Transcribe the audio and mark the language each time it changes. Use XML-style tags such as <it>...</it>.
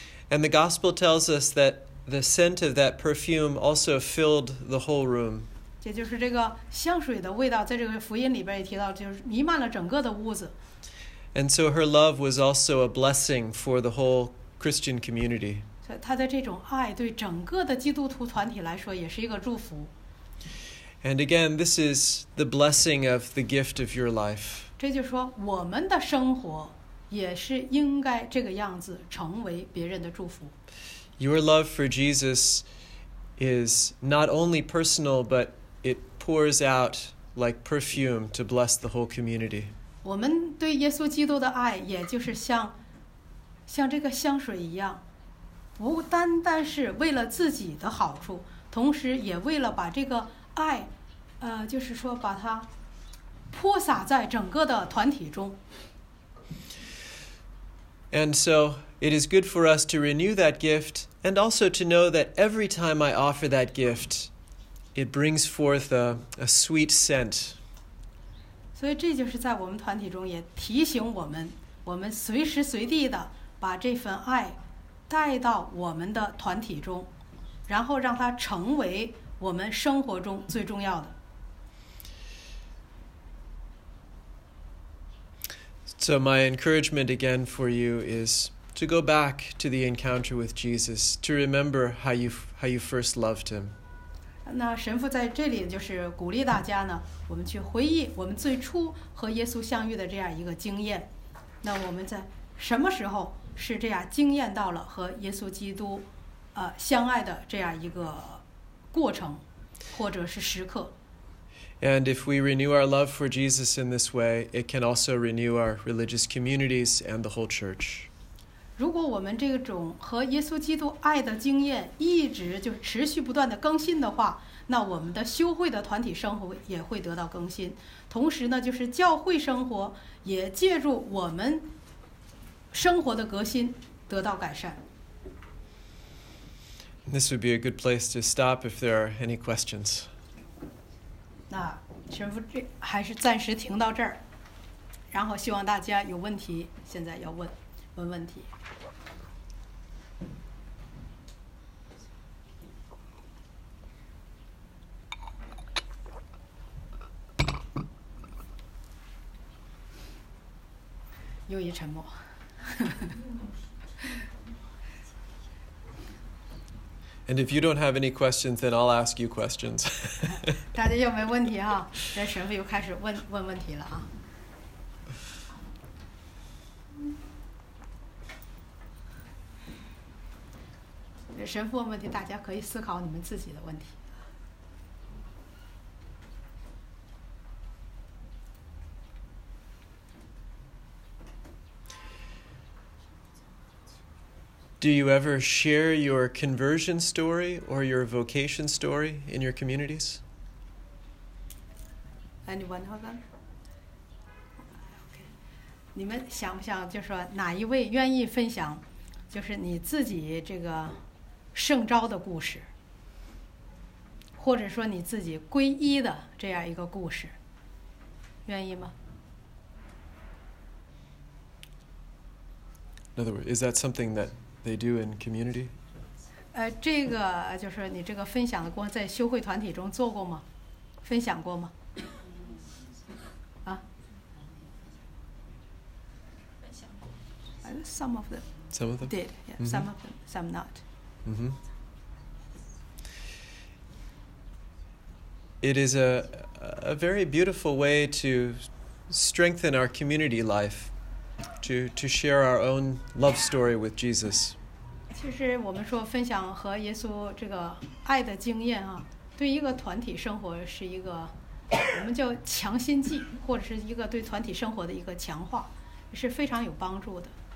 <en>And the gospel tells us that the scent of that perfume also filled the whole room.</en> <zh>也就是这个香水的味道在这个福音里边也提到，就是弥漫了整个的屋子。</zh> <en>And so her love was also a blessing for the whole Christian community.</en> <zh>她的这种爱对整个的基督徒团体来说也是一个祝福。</zh> <en>And again, this is the blessing of the gift of your life.</en> <zh>这就是说我们的生活也是应该这个样子成为别人的祝福。</zh> <en>Your love for Jesus is not only personal, but it pours out like perfume to bless the whole community.</en> <zh>我们对耶稣基督的爱也就是像这个香水一样，不单单是为了自己的好处，同时也为了把这个爱就是说把它泼洒在整个的团体中。</zh> <en>And so It is good for us to renew that gift and also to know that every time I offer that gift, it brings forth a sweet scent.</en> <zh>所以这就是在我们团体中也提醒我们，我们随时随地的把这份爱带到我们的团体中，然后让它成为我们生活中最重要的。</zh> <en>So my encouragement again for you is to go back to the encounter with Jesus, to remember how you first loved him.</en> <zh>那神父在这里就是鼓励大家呢，我们去回忆我们最初和耶稣相遇的这样一个经验。那我们在什么时候是这样经验到了和耶稣基督相爱的这样一个过程或者是时刻。</zh> <en>And if we renew our love for Jesus in this way, it can also renew our religious communities and the whole church.</en> <zh>如果我们这种和耶稣基督爱的经验一直就持续不断的更新的话，那我们的修会的团体生活也会得到更新。同时呢，就是教会生活也借助我们生活的革新得到改善。</zh> <en>This would be a good place to stop if there are any questions.</en> <zh>那神父还是暂时停到这儿，然后希望大家有问题现在要问问题。又一沉默。</zh> <en>And if you don't have any questions, then I'll ask you questions.</en> <zh>大家又没问题哈，这神父又开始问问题了啊。神父问问题，大家可以思考你们自己的问题。</zh> <en>Do you ever share your conversion story or your vocation story in your communities? Anyone of them? Okay.</en> <zh>你们想不想就是说哪一位愿意分享就是你自己这个圣召的故事或者说你自己皈依的这样一个故事愿意吗？</zh> <en>In other words, is that something that they do in community?</en> <zh>这个就是你这个分享的过程在修会团体中做过吗？分享过吗？啊？分享过。</zh> <en>Some of them. Some of them? Did, yeah. Mm-hmm. Some of them, some not. Mm-hmm. It is a very beautiful way to strengthen our community life, to share our own love story with Jesus.</en> <zh>其实我们说分享和耶稣这个爱的经验啊，对一个团体生活是一个我们叫强心剂，或者是一个对团体生活的一个强化，是非常有帮助的。</zh>